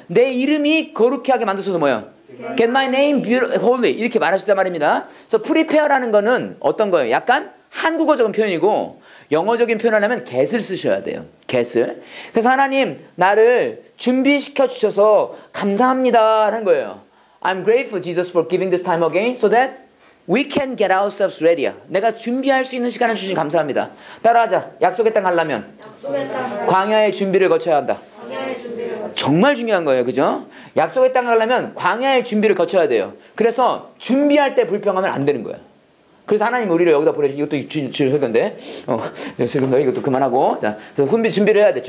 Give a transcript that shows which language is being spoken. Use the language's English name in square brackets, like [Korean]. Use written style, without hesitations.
[Korean] 내 이름이 거룩하게 만드소서 뭐예요? [English] Get my name holy. [Korean] 이렇게 말할 수 있단 말입니다. [English] So prepare [Korean] 라는 거는 어떤 거예요? 약간 한국어적인 표현이고 영어적인 표현을 하면 get을 쓰셔야 돼요. get을. 그래서 하나님 나를 준비시켜 주셔서 감사합니다 하는 거예요. [English] I'm grateful Jesus for giving this time again so that we can get ourselves ready. [Korean] 내가 준비할 수 있는 시간을 주신 감사합니다. 따라하자. 약속의 땅 가려면 광야의 준비를 거쳐야 한다. 정말 중요한 거예요. 그죠? 약속의 땅 가려면 광야의 준비를 거쳐야 돼요. 그래서 준비할 때 불평하면 안 되는 거예요. 그래서 하나님 우리를 여기다 보내주신 이것도 주일설교인데 설교인데 이것도 그만하고 자 그래서 준비를 해야 돼.